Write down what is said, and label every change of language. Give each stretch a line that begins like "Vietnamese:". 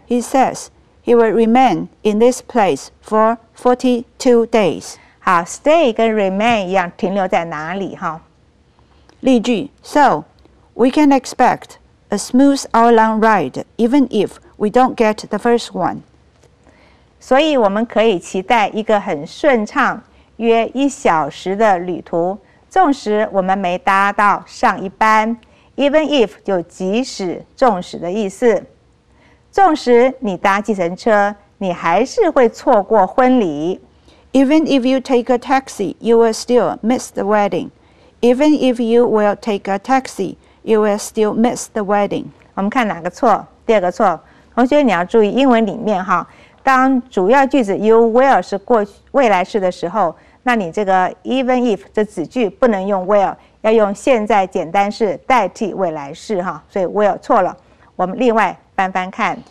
English: He says he will remain in this place for 42 days
Chinese: 好 stay 跟 remain 一样停留在哪里哈例句
English: So we can expect a smooth hour long ride even if we don't get the first one
Chinese: 所以我们可以期待一个很顺畅约1小时的旅途纵使我们没搭到上一班 ，
English: even if
Chinese: 就即使、纵使的意思。纵使你搭计程车，你还是会错过婚礼。
English: Even if you take a taxi, you will still miss the wedding. Even if you will take a taxi, you will still miss the wedding.
Chinese: 我们看哪个错？第二个错，同学你要注意英文里面哈，当主要句子 you will 是过未来式的时候。那你这个 even if 这子句不能用 will， 要用现在简单式代替未来式哈，所以 will 错了。我们另外翻翻看